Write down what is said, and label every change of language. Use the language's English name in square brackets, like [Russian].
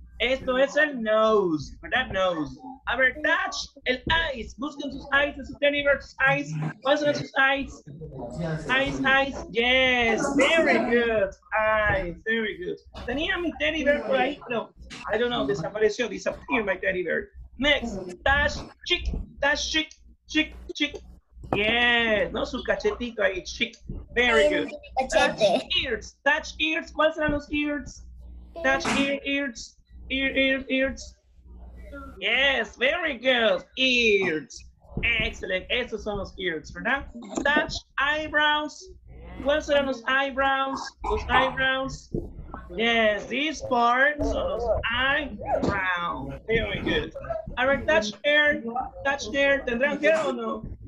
[Spanish] Esto es el nose. [English] That nose. [Spanish] A ver, touch el eyes. Busquen sus eyes. Es su teddy bear. Sus eyes. ¿Cuáles son sus [English] eyes? Eyes, eyes. Yes. Very good. Eyes. Very good. [Spanish] Tenía mi teddy bear por ahí. [English] No. I don't know. [Spanish] Desapareció. [English] Disappeared my teddy bear. Next. Touch. Chick. Touch. Chick. Chick. Chick. [Spanish] Yes, no su cachetito ahí, chic. [English] Very good. Touch ears, touch ears. [Spanish] ¿Cuáles son los ears? [English] Touch ear, ears, ear, ear, ears. Yes, very good. Ears. Excellent. [Spanish] Esos son los ears, ¿verdad? [English] Touch eyebrows. [Spanish] ¿Cuáles son los eyebrows? [English] Los eyebrows. Yes, this part. So los eyebrows. Very good. All right, touch hair. Touch hair. [Spanish] ¿Tendrán [English] hair o no?